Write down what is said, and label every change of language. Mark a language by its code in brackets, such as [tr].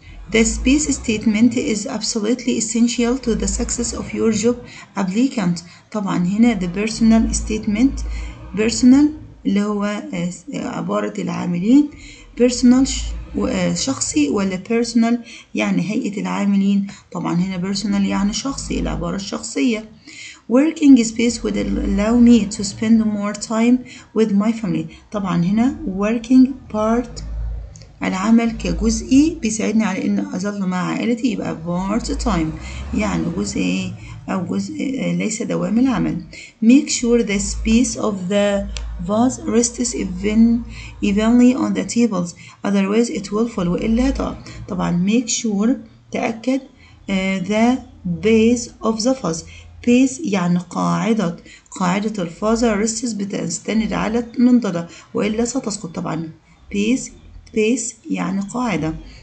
[en] The space statement is absolutely essential to the success of your job applicant. [ar] طبعا هنا [en] the personal statement، [ar] personal اللي هو عبارة العاملين، personal شخصي ولا personal يعني هيئة العاملين، طبعا هنا personal يعني شخصي العبارة الشخصية. [en] Working space would allow me to spend more time with my family. [ar] طبعا هنا [en] working part [ar] العمل كجزئي بيساعدني على ان اظل مع عائلتي، يبقى [en] part time [ar] يعني جزء او جزء ليس دوام العمل. [en] Make sure the space of the vase rests evenly on the tables otherwise it will fall، [ar] والا طبعا [en] make sure [ar] تأكد [en] the base of the vase، base [ar] يعني قاعدة، قاعدة الفازه [en] rests [ar] بتستند على المنضدة والا ستسقط، طبعا [en] base [ar] يعني قاعدة.